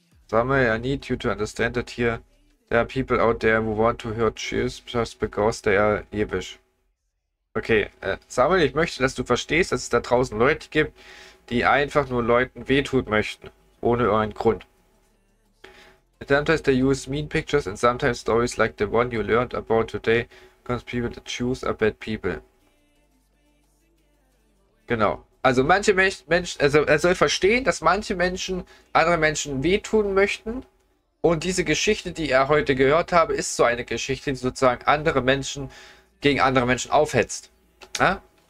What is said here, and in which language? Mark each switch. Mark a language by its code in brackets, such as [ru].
[en] Samuel, I need you to understand that here. There are people out there who want to hurt Jews just because they are evil. [de] Okay, Samuel, ich möchte, dass du verstehst, dass es da draußen Leute gibt, die einfach nur Leuten wehtun möchten, ohne irgendeinen Grund. [en] Sometimes they use mean pictures and sometimes stories like the one you learned about today, because people that Jews are bad people. [de] Genau. Also manche Menschen, also er soll verstehen, dass manche Menschen andere Menschen wehtun möchten. Und diese Geschichte, die er heute gehört habe, ist so eine Geschichte, die sozusagen andere Menschen gegen andere Menschen aufhetzt. Ja?